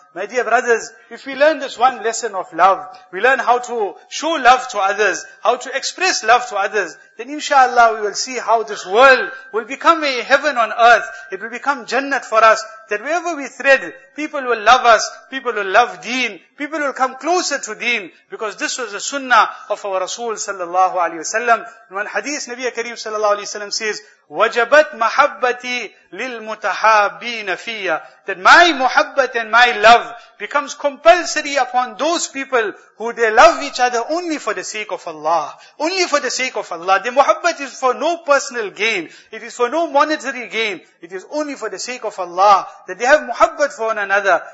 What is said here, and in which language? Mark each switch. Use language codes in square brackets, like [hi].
[en] My dear brothers, if we learn this one lesson of love, we learn how to show love to others, how to express love to others, then inshallah we will see how this world will become a heaven on earth. It will become jannat for us, that wherever we thread, people will love us, people will love deen, people will come closer to deen, because this was the sunnah of our Rasul sallallahu alayhi wa sallam. In one hadith, Nabi Kareem sallallahu alayhi wa sallam says, [ar] وجبت محبتي للمتحابين فيا. [en] That my muhabbat and my love becomes compulsory upon those people who they love each other only for the sake of Allah. Only for the sake of Allah. The muhabbat is for no personal gain. It is for no monetary gain. It is only for the sake of Allah that they have muhabbat for one another.